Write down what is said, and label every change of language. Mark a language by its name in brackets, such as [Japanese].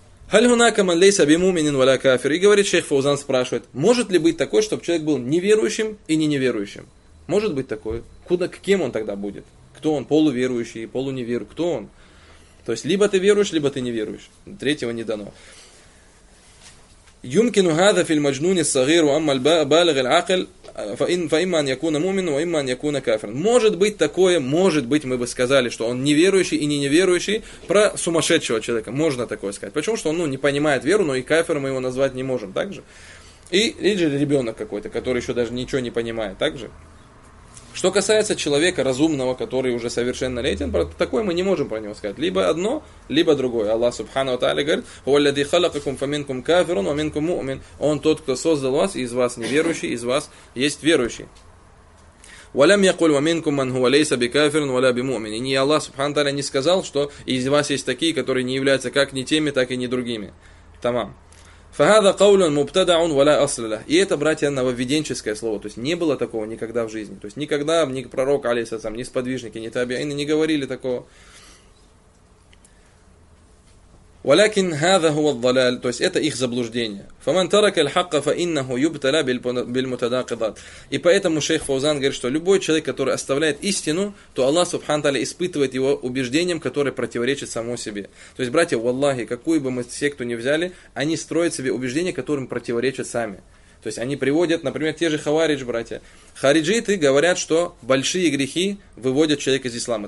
[Arabic] «Халь хунака ман лейса бимуминин валя кафир». [Russian] И говорит шейх Фаузан, спрашивает, может ли быть такое, чтобы человек был неверующим и не неверующим? Может быть такое? Куда, кем он тогда будет? Кто он? Полуверующий, полуневерующий? Кто он? То есть либо ты веруешь, либо ты не веруешь. Третьего не дано. [Arabic] يمكن هذا في المجنون الصغير وأما البالغ العاقل فإما أن يكون مؤمنا وإما أن يكون كافرا. [Russian] Может быть такое, может быть, мы бы сказали, что он неверующий и не неверующий, про сумасшедшего человека можно такое сказать. Почему? Что он, ну, не понимает веру, но и кафиром мы его назвать не можем, так же? И ребенок какой-то, который еще даже ничего не понимает, так же? Что касается человека разумного, который уже совершеннолетен, такое мы не можем про него сказать. Либо одно, либо другое. Аллах субхана ва тааля говорит: [Arabic] «Хуа ллази халакакум фаминкум кафирун ва минкум муъмин». [Russian] Он тот, кто создал вас, и из вас неверующий, и из вас есть верующий. [Arabic] ولم يقل ومنكم من هو ليس بكافر ولا بمؤمن. [Russian] И не Аллах Субхану Тааля не сказал, что из вас есть такие, которые не являются как ни теми, так и ни другими. Тамам. [Arabic] فهذا قول مبتدع ولا أصل له. [Russian] И это, братья, нововведенческое слово. То есть не было такого никогда в жизни. То есть никогда ни пророк, алейхиссалям, ни сподвижники, ни табиины не говорили такого. [Arabic] ولكن هذا هو الضلال. [Russian] То есть это их заблуждение. [Arabic] فمن ترك الحق فإنه يبتلى بالمتناقضات. [Russian] И поэтому шейх Фаузан говорит, что любой человек, который оставляет истину, то Аллах Субхану Тааля испытывает его убеждением, которое противоречит само себе. То есть, братья, валлахи, какую бы мы секту ни взяли, они строят себе убеждения, которым противоречат сами. То есть они приводят, например, те же хавариджи, братья. Хариджиты говорят, что большие грехи выводят человека из ислама.